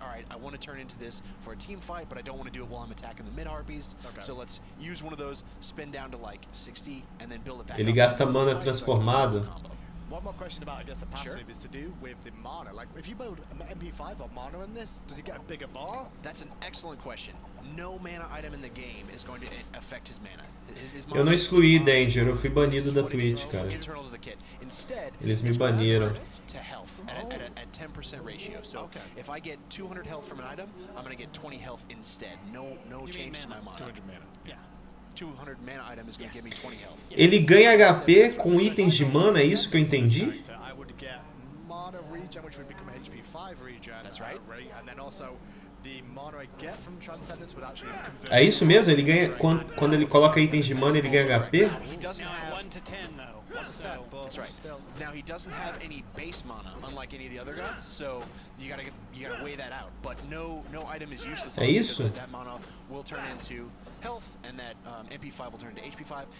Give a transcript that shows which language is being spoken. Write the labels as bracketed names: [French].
[English] All right, I want to turn into this for a team fight, but I don't want to do it while I'm attacking the mid harpies. Okay. So let's use one of those, spin down to like 60, and then build it back. [Portuguese] Ele gasta mana transformado. [English] One more question about, I guess, the passive is to do with the mana. Like, if you build MP5 or mana in this, does he get a bigger bar? That's an excellent question. No mana item in the game is going to affect his mana. [Portuguese] Eu não excluí Danger, eu fui banido da Twitch, cara. Eles me baniram. [English] To health at 10% ratio. So if I get 200 health from an item, I'm going to get 20 health instead. No change to my mana. 200 mana. Yeah. 200 mana item is going to give me 20 health. [Portuguese] Ele ganha HP com itens de mana, é isso que eu entendi? [English] I would get mana regen, which would become HP 5 regen. That's right. And then also the mana I get from transcendence would actually convert. [Portuguese] É isso mesmo, ele ganha quando ele coloca itens de mana, ele ganha HP? [English] That's right. Now he doesn't have any base mana unlike any of the other gods, so you got to weigh that out. But no item is useless. [Portuguese] É isso? [English] That mana will turn into health, and that MP5 will turn into HP5.